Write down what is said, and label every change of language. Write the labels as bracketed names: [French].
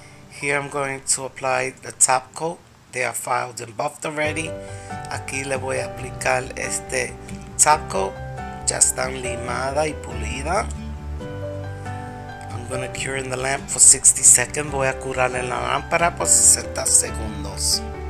[English] Here I'm going to apply the top coat. They are filed and buffed already. [Spanish] Aquí le voy a aplicar este top coat. Ya están limada y pulida. [English] I'm going to cure in the lamp for 60 seconds. [Spanish] Voy a curar en la lámpara por 60 segundos.